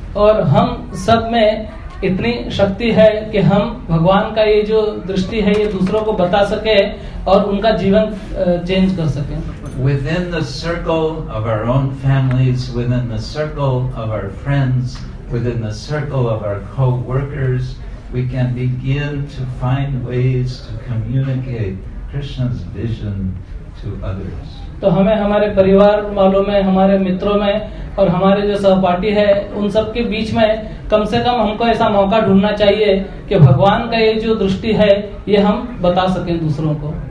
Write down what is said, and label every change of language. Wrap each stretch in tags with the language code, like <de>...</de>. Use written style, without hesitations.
<hi>और हम सब में इतनी शक्ति है कि हम भगवान का ये जो दृष्टि है ये दूसरों को बता सके और उनका जीवन चेंज कर सके।</hi> <en>Within the circle of our own families, within the circle of our friends, within the circle of our co-workers, we can begin to find ways to communicate Krishna's vision to others.</en> <hi>तो हमें हमारे परिवार वालों में, हमारे मित्रों में और हमारे जो सहपाठी है उन सब के बीच में कम से कम हमको ऐसा मौका ढूंढना चाहिए कि भगवान का ये जो दृष्टि है ये हम बता सकें दूसरों को।</hi>